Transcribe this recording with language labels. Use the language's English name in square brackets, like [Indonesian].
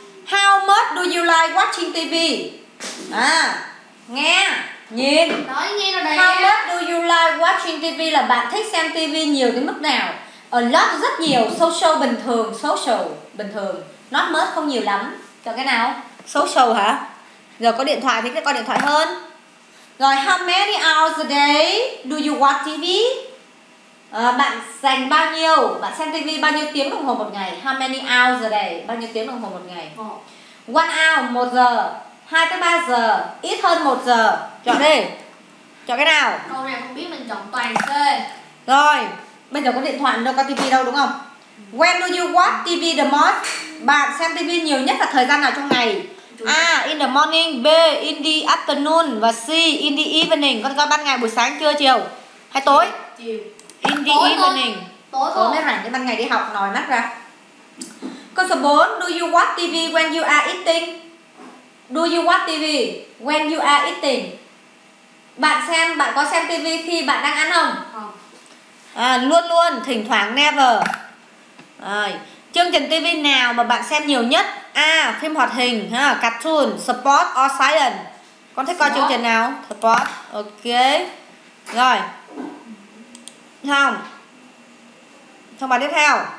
[English] How much do you like watching TV? [Vietnamese] À, nghe, nhìn. Nói nghe nó đây. [English] How much do you like watching TV [Vietnamese] là bạn thích xem TV nhiều đến mức nào? [English] A lot [Vietnamese] rất nhiều, social bình thường, social bình thường. [English] Not much [Vietnamese] không nhiều lắm. Chọn cái nào? Social hả? Giờ có điện thoại thì có điện thoại hơn. [English] Rồi, how many hours a day do you watch TV? [Vietnamese] À, bạn dành bao nhiêu? Bạn xem TV bao nhiêu tiếng đồng hồ một ngày? [English] How many hours a day? [Vietnamese] Bao nhiêu tiếng đồng hồ một ngày? [English] 1 hour, [Vietnamese] 1 giờ, 2 tới 3 giờ, ít hơn 1 giờ. Chọn đi. Chọn cái nào? Câu này không biết, mình chọn toàn C. Rồi, bây giờ có điện thoại đâu, có TV đâu đúng không? [English] When do you watch TV the most? [Vietnamese] Bạn xem TV nhiều nhất là thời gian nào trong ngày? [English] A. In the morning. B. In the afternoon. Và C. In the evening. [Vietnamese] Con coi ban ngày, buổi sáng, trưa, chiều hay tối? Chiều. [English] In the tối evening [Vietnamese] thôi. Tối mới rảnh, cái ban ngày đi học nói mắt ra. Câu số 4. [English] Do you watch TV when you are eating? Do you watch TV when you are eating? [Vietnamese] Bạn xem, bạn có xem TV khi bạn đang ăn không? À, luôn luôn, thỉnh thoảng, never. Chương trình TV nào mà bạn xem nhiều nhất? A. Phim hoạt hình, ha, [English] cartoon, sport or science. [Vietnamese] Con thích coi chương trình nào? [English] Sport. [Vietnamese] Ok. Rồi. Xong. Xong bài tiếp theo.